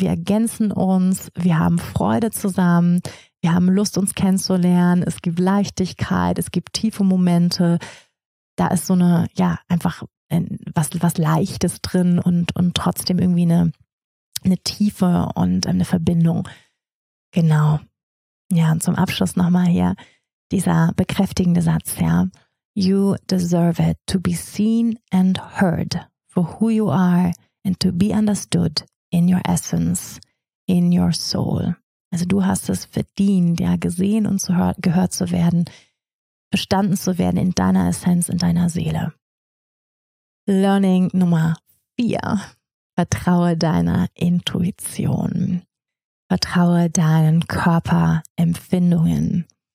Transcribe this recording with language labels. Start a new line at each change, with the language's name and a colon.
German: Wir ergänzen uns, wir haben Freude zusammen, wir haben Lust, uns kennenzulernen. Es gibt Leichtigkeit, es gibt tiefe Momente. da ist so eine, ja, einfach was Leichtes drin und trotzdem irgendwie eine Tiefe und eine Verbindung. Genau. Ja, und zum Abschluss nochmal hier dieser bekräftigende Satz, ja.
English: You deserve it to be seen and heard for who you are and to be understood in your essence, in your soul.
German: Also du hast es verdient, ja, gesehen und gehört zu werden, verstanden zu werden in deiner Essenz, in deiner Seele. Learning Nummer 4. Vertraue deiner Intuition. Vertraue deinen Körperempfindungen.